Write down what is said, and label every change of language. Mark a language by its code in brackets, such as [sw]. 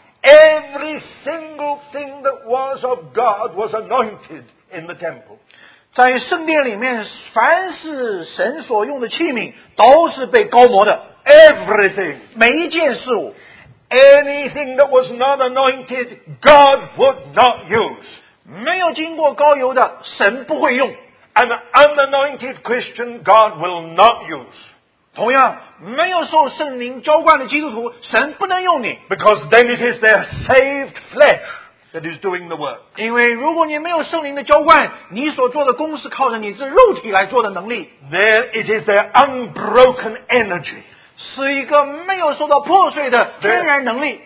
[en] Every single thing that was of God was anointed in the temple. [zh] 在圣殿里面凡是神所用的器皿都是被膏抹的 [en] Everything. [zh] 每一件事物 [en] Anything that was not anointed, God would not use. [zh] 没有经过膏油的神不会用 [en] An unanointed Christian, God will not use. [zh] 同样没有受圣灵浇灌的基督徒神不能用你 [en] Because then it is their saved flesh that is doing the work. [zh] 因为如果你没有圣灵的浇灌你所做的工是靠着你是肉体来做的能力 [en] Then it is their unbroken energy. [zh] 是一个没有受到破碎的天然能力